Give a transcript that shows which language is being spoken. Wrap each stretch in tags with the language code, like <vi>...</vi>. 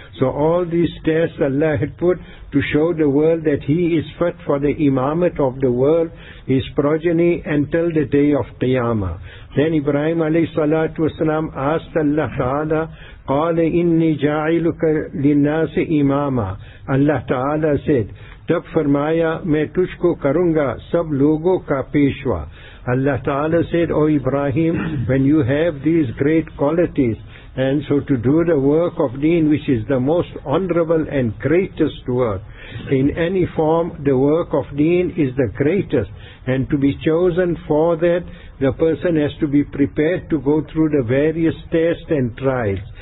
<en>So all these tests Allah had put to show the world that he is fit for the imamate of the world, his progeny until the day of Qiyamah. Then Ibrahim alayhi salatu wasalam asked Allah Ta'ala,</en> <ar>قَالَ إِنِّي جَاعِلُكَ لِلنَّاسِ إِمَامًا.</ar> <en>Allah Ta'ala said,</en> <ur>تب فرمایا میں تجھ کو کروں گا سب لوگوں کا پیشوا.</ur> <en>Allah Ta'ala said, O Ibrahim, when you have these great qualities, and so to do the work of deen, which is the most honorable and greatest work, in any form, the work of deen is the greatest. And to be chosen for that, the person has to be prepared to go through the various tests and trials.</en>